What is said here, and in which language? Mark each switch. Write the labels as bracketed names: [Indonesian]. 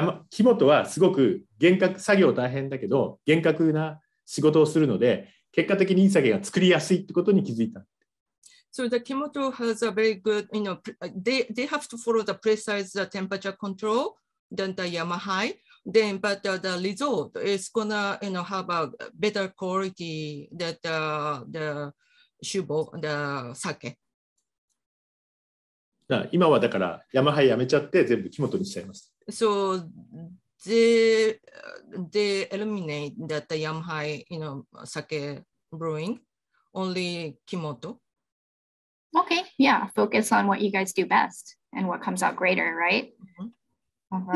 [Japanese] Kimoto はすごく厳格作業大変だけど厳格な仕事をするので結果的にいい酒が作りやすいってことに気づいた。 [English] So the Kimoto has a very good, you know, they have to follow the precise temperature control than the Yamahai. Then, but the result is gonna, you know, have a better quality than the Shubo, the sake. [Japanese] だ今はだからヤマハイやめちゃって全部キモトにしちゃいます。 [English] So they eliminate that the Yamahai, you know, sake brewing only Kimoto. Okay, yeah, focus on what you guys do best and what comes out greater, right? Mm-hmm.